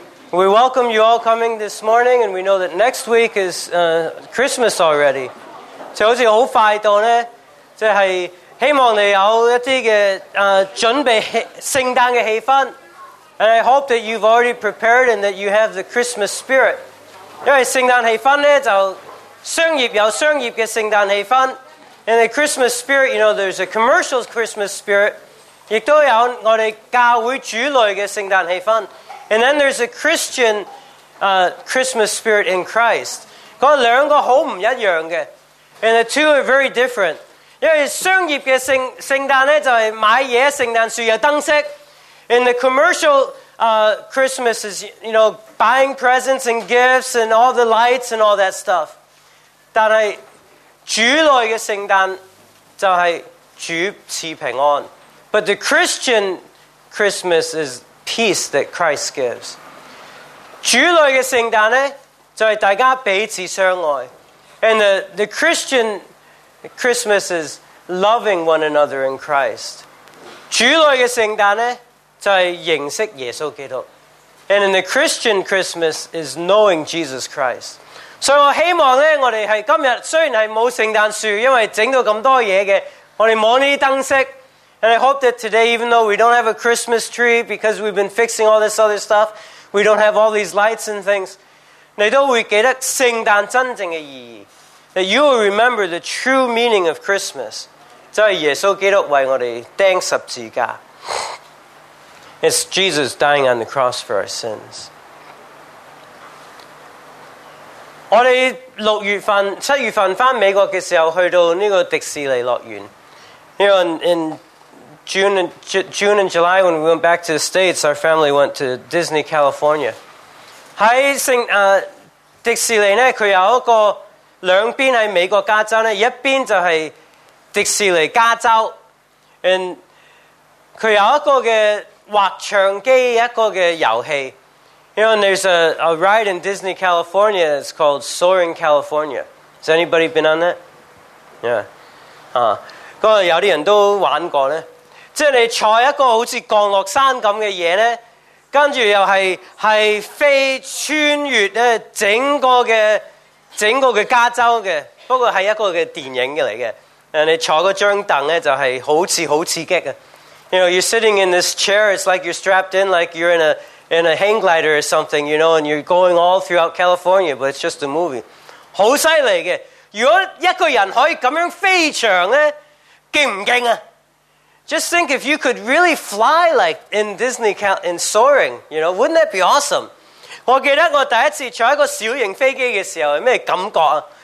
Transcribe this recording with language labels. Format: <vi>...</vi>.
<en>We welcome you all coming this morning, and we know that next week is Christmas already.</en> <yue>就好似好快到咧，即系希望你有一啲嘅准备圣诞嘅气氛。</yue> <en>And I hope that you've already prepared and that you have the Christmas spirit.</en> <yue>因为圣诞气氛咧就商业有商业嘅圣诞气氛。</yue> <en>And the Christmas spirit, you know, there's a commercial Christmas spirit.</en> <yue>亦都有我哋教会主内嘅圣诞气氛。</yue> <en>And then there's a Christian Christmas spirit in Christ.</en> <yue>嗰两个好唔一样嘅。</yue> <en>And the two are very different.</en> <yue>因为商业嘅圣诞咧就系买嘢，圣诞树有灯饰。</yue> <en>And the commercial Christmas is, you know, buying presents and gifts and all the lights and all that stuff.</en> <yue>但系主内嘅圣诞就系主赐平安。</yue> <en>But the Christian Christmas is peace that Christ gives.</en> <yue>主内嘅圣诞咧就系大家彼此相爱。</yue> <en>And the Christian Christmas is loving one another in Christ.</en> <yue>主内嘅圣诞咧就系认识耶稣基督。</yue> <en>And in the Christian Christmas is knowing Jesus Christ.</en> <yue>所以我希望咧，我哋系今日虽然系冇圣诞树，因为整到咁多嘢嘅，我哋冇呢啲灯饰。</yue> <en>And I hope that today, even though we don't have a Christmas tree because we've been fixing all this other stuff, we don't have all these lights and things,</en> <yue>你都会记得圣诞真正嘅意义。</yue> <en>That you will remember the true meaning of Christmas,</en> <yue>就系耶稣基督为我哋钉十字架。</yue> <en>It's Jesus dying on the cross for our sins.</en> <yue>我哋六月份、七月份翻美國嘅時候，去到呢個迪士尼樂園。</yue> <en>You know, in June and July, when we went back to the States, our family went to Disney California.</en> <yue>喺迪士尼咧，佢有一個兩邊喺美國加州咧，一邊就係迪士尼加州。 And 佢有一個嘅滑翔機，一個嘅遊戲。</yue> <en>You know, and there's a ride in Disney California that's called Soaring California. Has anybody been on that? Yeah.</en> <yue>嗰度有啲人都玩過咧。即係你坐一個好似降落傘咁嘅嘢咧，跟住又係飛穿越咧整個嘅加州嘅。不過係一個嘅電影嚟嘅。你坐嗰張凳咧就係好刺激啊。</yue> <en>You know, you're sitting in this chair. It's like you're strapped in, like you're in a hang glider or something, you know, and you're going all throughout California, but it's just a movie.</en> <yue>好犀利嘅！如果一個人可以咁樣飛翔咧，勁唔勁啊</yue> <en>？Just think if you could really fly like in Disney, in soaring, you know, wouldn't that be awesome?</en> <yue>我記得我第一次坐一個小型飛機嘅時候，咩感覺啊</yue>